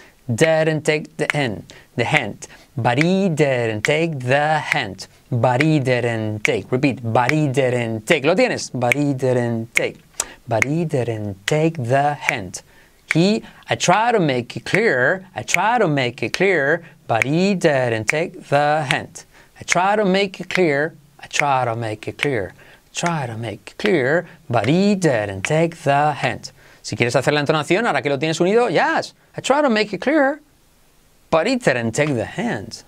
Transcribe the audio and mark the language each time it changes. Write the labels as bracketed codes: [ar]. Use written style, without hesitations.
[en] didn't take the hint, the hint, but he didn't take the hint, but he didn't take, repeat, but he didn't take, [es] lo tienes, [en] but he didn't take the hint, he, I try to make it clear, I try to make it clear, but he didn't take the hint, I try to make it clear, I try to make it clear. Try to make it clear, but he didn't take the hint. [es] Si quieres hacer la entonación, ahora que lo tienes unido, yes. [en] I try to make it clear, but he didn't take the hint.